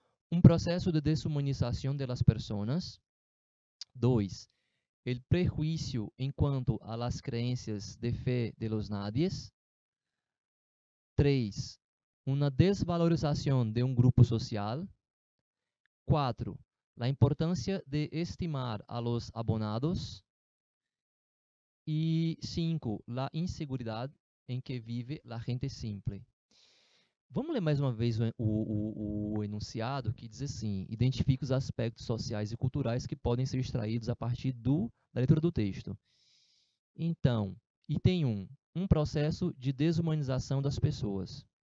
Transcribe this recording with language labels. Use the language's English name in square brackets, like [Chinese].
[Portuguese] Um processo de desumanização [Spanish] de las personas. 2. El prejuicio en cuanto a las creencias de fe de los nadies. 3. Una desvalorización de un grupo social. 4. La importancia de estimar a los abonados. E 5, la inseguridad en que vive la gente simple. [Portuguese] Vamos ler mais uma vez o enunciado, que diz assim: identifica os aspectos sociais e culturais que podem ser extraídos a partir da leitura do texto. Então, item 1, um processo de desumanização das pessoas.